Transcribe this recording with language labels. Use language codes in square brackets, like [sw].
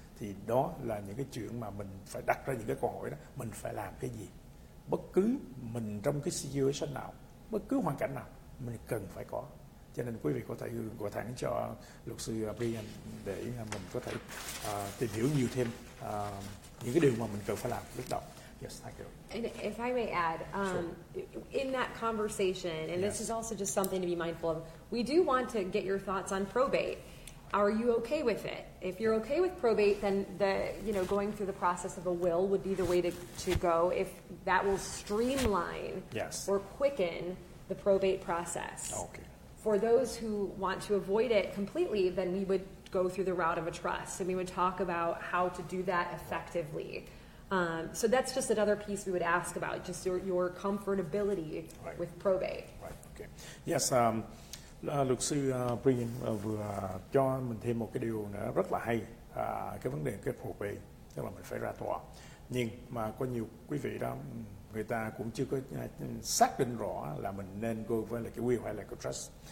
[vi] Thì đó là những cái chuyện mà mình phải đặt ra những cái câu hỏi đó. Mình phải làm cái gì? Bất cứ mình trong cái situation nào, bất cứ hoàn cảnh nào, mình cần phải có. Cho nên quý vị có thể gọi thẳng cho luật sư Brian để mình có thể tìm hiểu nhiều thêm những cái điều mà mình cần phải làm lúc đầu. [en] Yes, thank you. And if I may add, in that conversation, and yes. this is also just something to be mindful of, we do want to get your thoughts on probate. Are you okay with it? If you're okay with probate, then the going through the process of a will would be the way to go. If that will streamline or quicken the probate process. Okay. For those who want to avoid it completely, then we would go through the route of a trust, and we would talk about how to do that effectively. So that's just another piece we would ask about, just your comfortability with probate. Right. Okay. Yes. [vi] Luật sư Brian vừa cho mình thêm một cái điều nữa rất là hay, cái vấn đề cái probate, tức là mình phải ra tòa. Nhưng mà có nhiều quý vị đó, người ta cũng chưa có xác định rõ là mình nên go với là cái will hay là cái trust.